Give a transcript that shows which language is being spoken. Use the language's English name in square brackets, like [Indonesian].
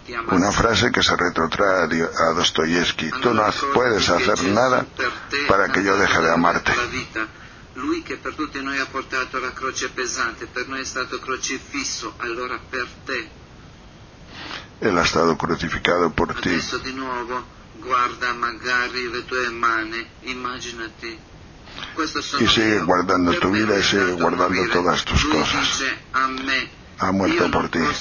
[Spanish] Una frase que se retrotrae a Dostoyevsky. Tú no puedes hacer nada para que yo deje de amarte. [Italian] Lui che per tutti noi ha portato la croce pesante, per noi è stato crocifisso, allora per te. [Spanish] Él ha estado crucificado por ti. [Italian] Adesso di nuovo, guarda magari le tue mani, immaginati. [Spanish] Y sigue guardando tu vida y sigue guardando todas tus cosas. Ha muerto por ti.